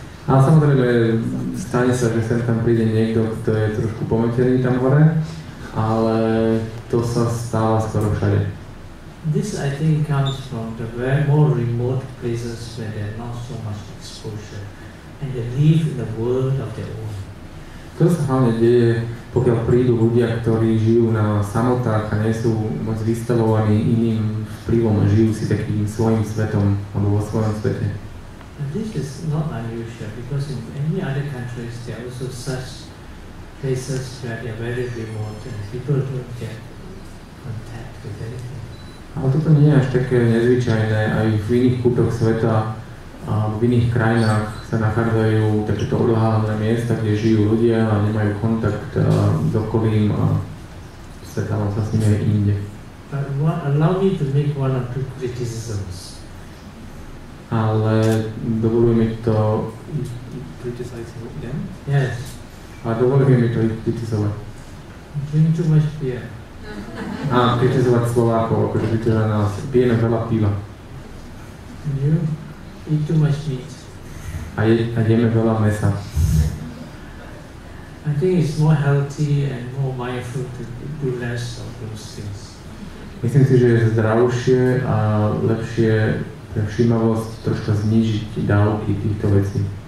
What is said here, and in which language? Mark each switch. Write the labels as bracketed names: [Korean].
[Slovak] A samozrejme, stane sa, že sem tam príde niekto, kto je trošku pomätený tam hore, ale to sa stáva skoro všade. [English] This I think comes from the very more remote places where there are not so much exposure and they live in the world of their own. [Slovak] To sa hlavne deje, pokiaľ prídu ľudia, ktorí žijú na samotách a nie sú moc vystavovaní iným vplyvom a žijú si takým svojim svetom alebo vo svojom svete. [English] And this is not unusual, because in any other countries there are also such places where they are very remote and people don't get contact with anything. [Slovak] Ale toto nie je až také nezvyčajné, aj v iných kútoch sveta a v iných krajinách sa nachádzajú takéto odľahlé miesta, kde žijú ľudia a nemajú kontakt s okolím a stretávam sa s nimi aj inde. [English] Allow me to make one or two criticisms. [Slovak] Ale dovoluj mi to... [English] Criticize them? Yes. [Slovak] A dovoluj mi to criticizovať. [English] Drink too much beer. [Slovak] A criticizovať Slovákov, akože by to na nás. Pijeme veľa piva. [English] You eat too much meat. [Slovak] A jeme veľa mesa. [English] I think it's more healthy and more mindful to do less of those things. [Slovak] Myslím si, že je zdravšie a lepšie pre všímavosť troška znižiť dávky týchto vecí.